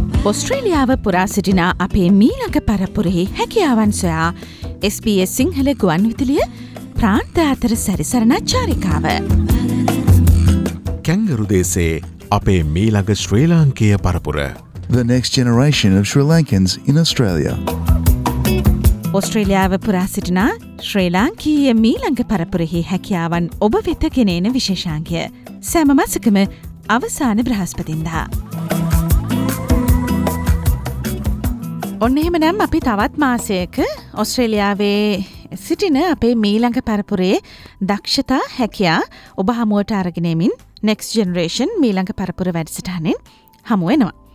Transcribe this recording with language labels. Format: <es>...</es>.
<si>ඔස්ට්‍රේලියාව පුරා සිටින අපේ මීළඟ පරපුරෙහි හැකියාවන් සොයා SBS සිංහල ගුවන්විදුලිය ප්‍රාන්ත අතර සැරිසරන චාරිකාව. කැංගරු දේශයේ අපේ මීළඟ ශ්‍රී ලාංකේය පරපුර.</si> <en>The next generation of Sri Lankans in Australia.</en> <si>ඔස්ට්‍රේලියාව පුරා සිටින ශ්‍රී ලාංකීය මීළඟ පරපුරෙහි හැකියාවන් ඔබ වෙත ගෙනෙන විශේෂාංගය. සෑම මාසිකම අවසාන බ්‍රහස්පතින්දා. ඔන්න එහෙමනම් අපි තවත් මාසයක ඔස්ට්‍රේලියාවේ සිටින අපේ මීළඟ පරපුරේ දක්ෂතා හැකියා ඔබ හමුවට අරගෙනමින් නෙක්ස්ට් ජෙනරේෂන් මීළඟ පරපුර වැඩසටහනෙන් හමු වෙනවා.</si>